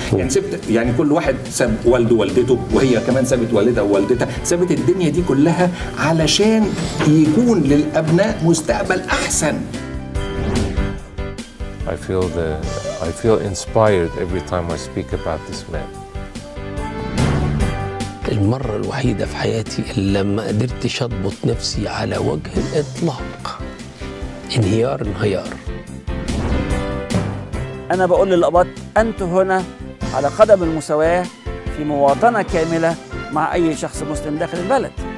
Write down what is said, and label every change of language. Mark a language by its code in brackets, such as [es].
[ar] يعني سبت يعني كل واحد ساب والده ووالدته وهي كمان سابت والدها ووالدتها، سابت الدنيا دي كلها علشان يكون للابناء مستقبل احسن. [en] I feel inspired every time I speak about this man. [ar] المرة الوحيدة في حياتي اللي ما قدرتش اضبط نفسي على وجه الاطلاق، انهيار. انا بقول للقباط انت هنا على قدم المساواة في مواطنة كاملة مع اي شخص مسلم داخل البلد.